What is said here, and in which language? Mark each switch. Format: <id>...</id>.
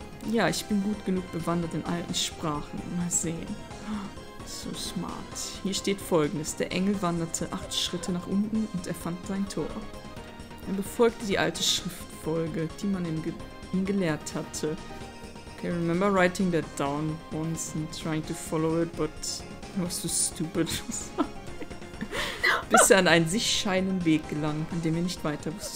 <de>Ja, ich bin gut genug bewandert in alten Sprachen. Mal sehen.</de> <en>So smart.</en> <de>Hier steht folgendes. Der Engel wanderte 8 Schritte nach unten und er fand sein Tor. Er befolgte die alte Schriftfolge, die man ihm gelehrt hatte.</de> <en>Okay, remember writing that down once and trying to follow it, but it was too stupid.</en> <de>bis er an einen sich scheinenden Weg gelangt, an dem er nicht weiter wusste.</de>